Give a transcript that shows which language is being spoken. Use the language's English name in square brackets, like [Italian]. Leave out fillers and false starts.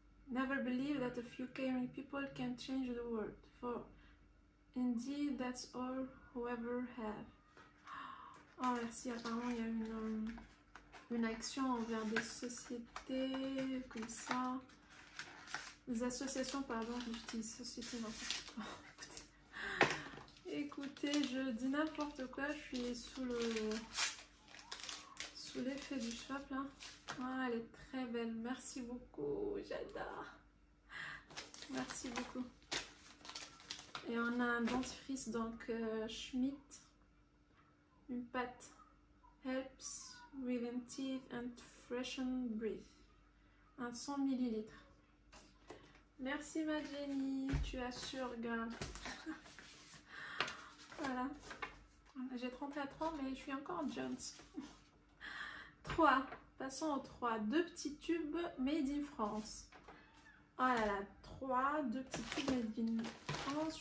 [English] Never believe that a few caring people can change the world, for indeed that's all whoever have. [French] Oh merci, apparemment il y a une action envers des sociétés comme ça, des associations, pardon, j'utilise société n'importe quoi. Écoutez, je dis n'importe quoi, je suis sous l'effet du shop là. Ah, elle est très belle, merci beaucoup, j'adore, merci beaucoup. Et on a un dentifrice, donc Schmidt, une pâte [English] Helps Within Teeth and Freshen Breath. [French] Un 100 ml. Merci ma Jenny, tu assures, gars. Voilà. J'ai 34 ans, mais je suis encore jeune. 3. Passons au 3. Deux petits tubes [English] made in France. [French] Oh là là, 3. Deux petits tubes [English] made in France.